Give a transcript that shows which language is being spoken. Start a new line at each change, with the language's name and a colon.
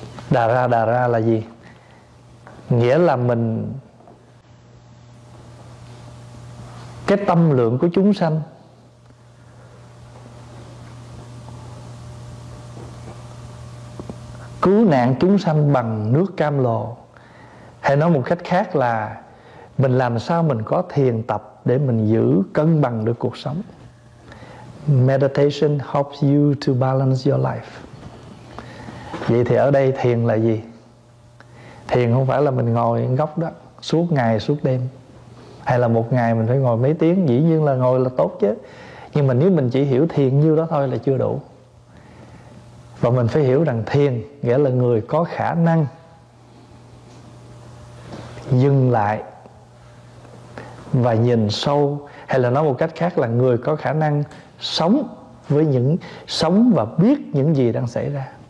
Vietnamese: Đà ra là gì? Nghĩa là mình, cái tâm lượng của chúng sanh cứu nạn chúng sanh bằng nước cam lồ. Hay nói một cách khác là mình làm sao mình có thiền tập để mình giữ cân bằng được cuộc sống.
English: Meditation helps you to balance your life.
Vietnamese: Vậy thì ở đây thiền là gì? Thiền không phải là mình ngồi góc đó suốt ngày suốt đêm, hay là một ngày mình phải ngồi mấy tiếng. Dĩ nhiên là ngồi là tốt chứ, nhưng mà nếu mình chỉ hiểu thiền như đó thôi là chưa đủ. Và mình phải hiểu rằng thiền nghĩa là người có khả năng dừng lại và nhìn sâu, hay là nói một cách khác là người có khả năng sống với những sống và biết những gì đang xảy ra.